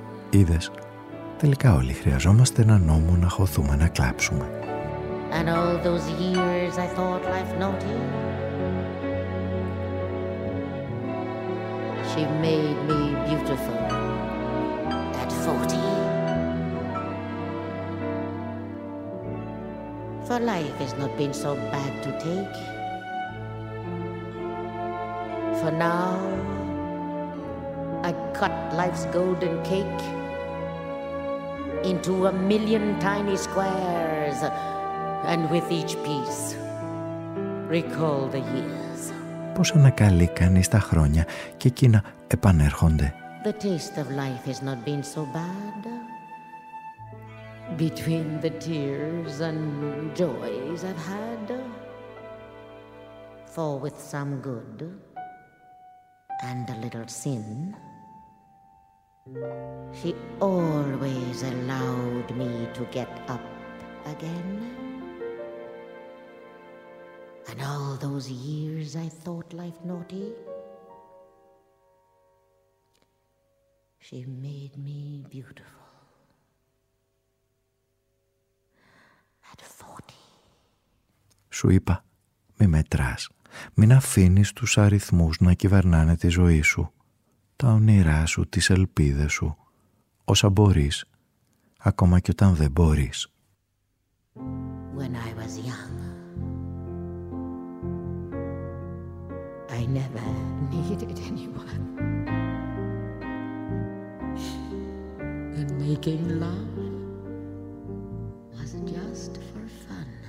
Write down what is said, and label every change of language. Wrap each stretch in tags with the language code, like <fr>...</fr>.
<el>Είδες, τελικά όλοι χρειαζόμαστε ένα νόμο να χωθούμε να κλάψουμε.</el> <en>And all those years I thought life naughty, she made me beautiful at 40. For life has not been so bad to take. For now I cut life's golden cake into a million tiny squares, and with each piece recall the years.</en> <el>Πώς ανακαλεί κανείς τα χρόνια και εκείνα επανέρχονται.</el> <en>The taste of life has not been so bad. Between the tears and joys I've had, for with some good and a little sin, she always allowed me to get up again. And all those years I thought life naughty, she made me beautiful at 40.</en> <el>Σου είπα, μη μετράς. μην αφήνεις τους αριθμούς να κυβερνάνε τη ζωή σου, τα όνειρά σου, τις ελπίδες σου, όσα μπορείς, ακόμα και όταν δεν μπορείς.</el> <en>When I was young, I never needed anyone. And making love was just for fun.</en>